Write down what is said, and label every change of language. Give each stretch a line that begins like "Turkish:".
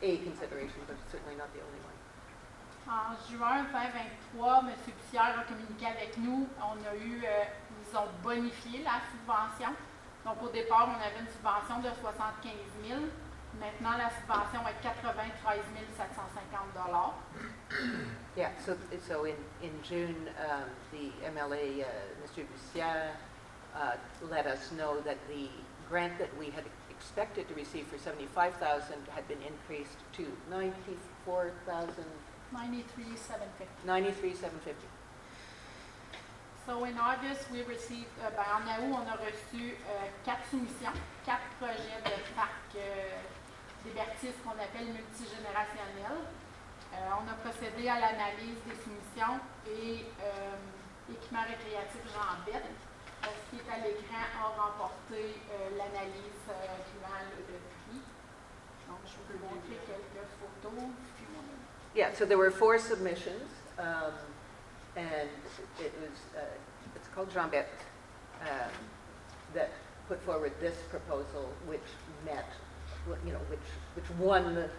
English: a consideration, but certainly not the only one.
French: En juin 2023, M. Pierre a communiqué avec nous. On a eu, ils ont bonifié la subvention. Donc, au départ, on avait une subvention de 75 000. Maintenant, la subvention est 93 750 $.
English: Yeah, so in June, the MLA, Mr. Bussière, let us know that the grant that we had expected to receive for 75,000 had been increased to 94,000. 93,750. 93,750. So in August, we received,
French: en août, on a reçu quatre soumissions, quatre projets de parc des bertistes qu'on appelle multigénérationnels. On a procédé à l'analyse des soumissions et équipement récréatif Jean Bette, ce qui est à l'écran, a remporté l'analyse suivant le prix. Donc, je peux vous montrer quelques photos.
English: Yeah, so there were four submissions, and it was, it's called Jean Bette, that put forward this proposal, which met, you know, which won the,